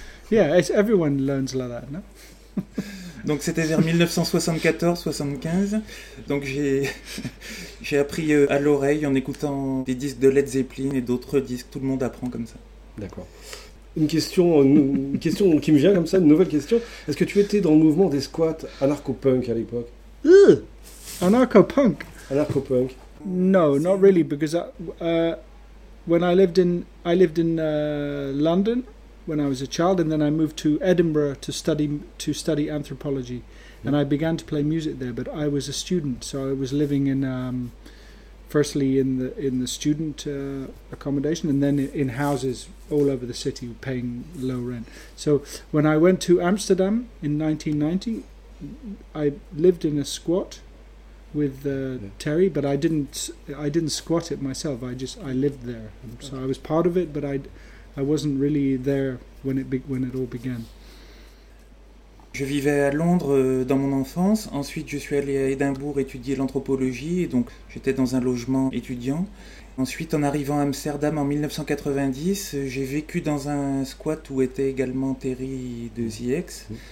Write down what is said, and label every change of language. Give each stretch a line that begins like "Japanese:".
English: Yeah, everyone learns like that, no?
French: Donc c'était vers 1974-75. Donc j'ai appris à l'oreille en écoutant des disques de Led Zeppelin et d'autres disques. Tout le monde apprend comme ça. D'accord. Une question qui me vient comme ça, une nouvelle question. Est-ce que tu étais dans le mouvement des squats anarcho-punk à l'époque? Anarcho-punk. Anarcho-punk.
English: No, not really, because when I lived in London when I was a child, and then I moved to Edinburgh to study anthropology, and I began to play music there. But I was a student, so I was living in firstly in the student accommodation, and then in houses all over the city, paying low rent. So when I went to Amsterdam in 1990, I lived in a squat with Terry, but I didn't squat it myself. I just lived there, so I was part of it, but I wasn't really there when it all began.
French: Je vivais à Londres dans mon enfance. Ensuite, je suis allé à Édimbourg étudier l'anthropologie, et donc j'étais dans un logement étudiant. Ensuite, en arrivant à Amsterdam en 1990, j'ai vécu dans un squat où était également Terry de ZX.